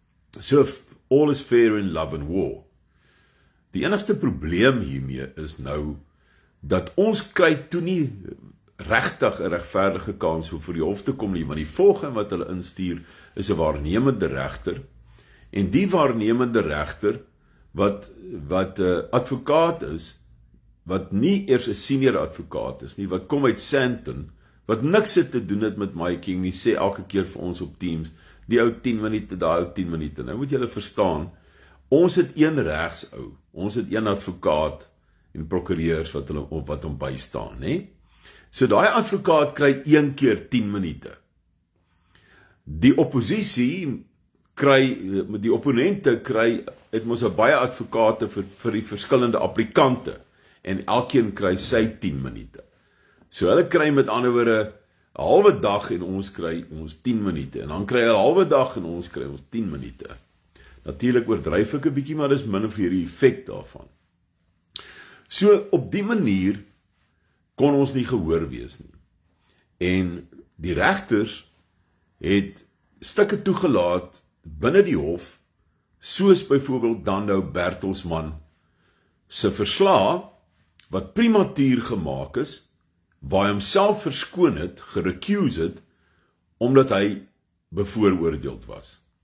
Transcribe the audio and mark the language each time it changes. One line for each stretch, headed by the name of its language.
English: So, all is fair in love and war.
Afrikaans: Die enigste probleem hiermee is nou, dat ons kry toe nie regtig 'n regverdige kans om voor die hof te kom nie, want die volgende wat hulle instuur, is 'n waarnemende regter, en die waarnemende regter, wat advokaat is, wat nie eers 'n senior advokaat is nie, wat kom uit Sandton, wat niks het te doen het met Mahikeng nie, sê elke keer vir ons op Teams, die ou 10 minute, die ou 10 minute, nou moet julle verstaan, ons het een regs ou, ons het een advokaat en prokureurs wat hulle op wat hom bystaan, nê? So daai advokaat kry een keer 10 minute. Die oppositie kry, die opponente kry, het mos 'n baie advokate vir die verskillende applikante, en elkeen kry sy 10 minute. So hulle kry met ander woorde, een halwe dag en ons kry ons 10 minute, en dan kry een halwe dag en ons kry ons 10 minute. Natuurlijk oordryf ek 'n bietjie, maar dis min of hierdie effect daarvan. So, op die manier kon ons nie gehoor wees nie. En die regters het stukke toegelaat binne die hof, soos byvoorbeeld Dando Bertelsman se verslag, wat prematuur gemaak is, waar hy homself verskoon het, gerecuse het, omdat hy bevooroordeeld was.